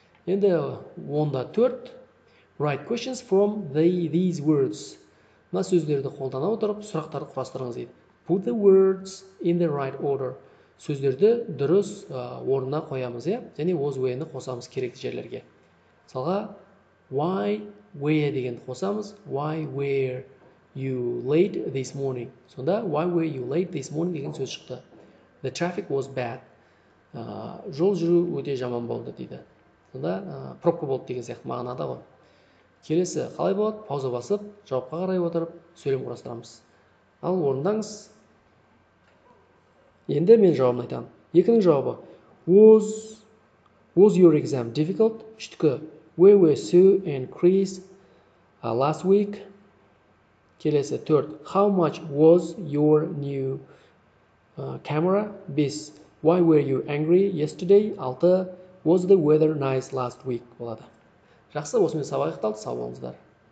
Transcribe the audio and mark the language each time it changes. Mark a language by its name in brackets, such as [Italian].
[Kazakh] Енді, онда төрт, [English] write questions from these words. [Kazakh] Мына сөздерді қолдана отырып, сұрақтарды құрастырыңыз дейді. [English] Put the words in the right order. [Kazakh] Сөздерді дұрыс орнына қоямыз, е? Және was, where-ні қосамыз керекті жерлерге. Мысалға, why, where дегенді қосамыз. [English] Why were you late this morning? [Kazakh] Сонда, [English] why were you late this morning [Kazakh] деген сөз шықты. [English] The traffic was bad. [Kazakh] Жол жүру өте жаман болды дейді. Сонда, пробка болды деген сияқты мағынада ғой. Келесі қалай болады? Пауза басып, жауапқа қарай отырып, сөйлем құрастырамыз. Ал орындаңыз. Енді мен жауабын айтамын. Екінің жауабы. [English] Was your exam difficult? [Kazakh] Үштікі. [English] Where were Sue and Chris last week? [Kazakh] Келесі. Төрт. [English] How much was your new camera? [Kazakh] Бес. [English] Why were you angry yesterday? [Kazakh] Алты. [English] Was the weather nice last week? [Kazakh] Болады. Жақсы, осымен сабақ аяқталды, сау болыңыздар.